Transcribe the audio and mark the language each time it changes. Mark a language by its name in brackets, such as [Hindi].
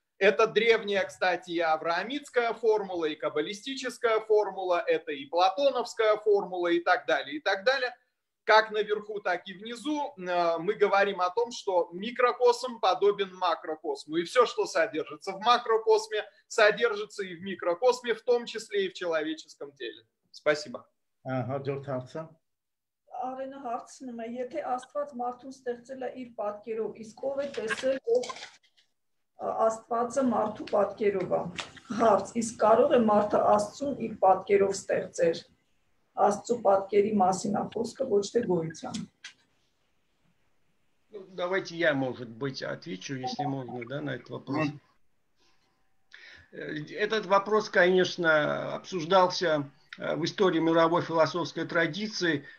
[Russian] Это древняя, кстати, и авраамитская формула, и каббалистическая формула, это и платоновская формула, и так далее, и так далее. Как наверху, так и внизу мы говорим о том, что микрокосм подобен макрокосму. И все, что содержится в макрокосме, содержится и в микрокосме, в том числе и в человеческом теле. Спасибо. Ага, [Armenian] Արենը հարցնում է, եթե Աստված մարդուն ստեղծել է իր պատկերով, իսկ ով է տեսել, ով Աստվածը մարդու պատկերով է? Հարց, իսկ կարող է մարդը Աստծուն իր պատկերով ստեղծել? Աստծու պատկերի մասին ախոսքը ոչ թե գոյության. [Russian] Давайте я, может быть, отвечу, если можно, да, на этот вопрос. Этот вопрос, конечно, обсуждался в истории мировой философской традиции.